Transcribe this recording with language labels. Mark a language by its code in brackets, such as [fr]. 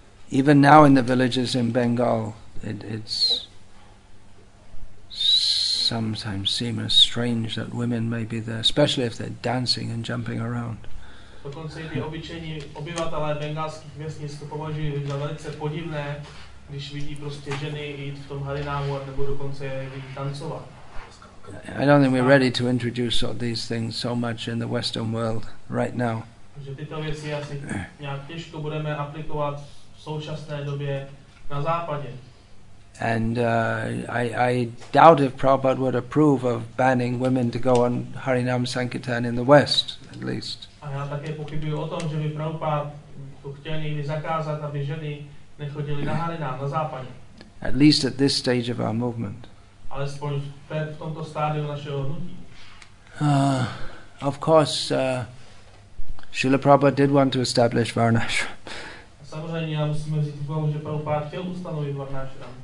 [en] even now in the villages in Bengal, it's sometimes seem as strange that women may be there, especially if they're dancing and jumping around. [cs] Dokonce i ty obyčejní obyvatelé bengalských vesnic to považují za velice podivné, když vidí prostě ženy jít v tom harinámu nebo dokonce vidí tancovat. [en] I don't think we're ready to introduce all these things so much in the Western world right now. [cs] Že tyto věci asi nějak těžko budeme aplikovat v současné době na západě. [en] And I doubt if Prabhupada would approve of banning women to go on Harinam Sankirtan in the West, at least. [cs] A já také pochybuji o tom, že by Prabhupada to chtěl někdy zakázat, aby ženy nechodily na Harinam na západě. [en] At least at this stage of our movement. [cs] Alespoň v tomto stádiu našeho hnutí. [en] Of course, Srila Prabhupada did want to establish Varnashram. [cs] Samozřejmě, já musím říct, že Prabhupada chtěl ustanovit Varnashram.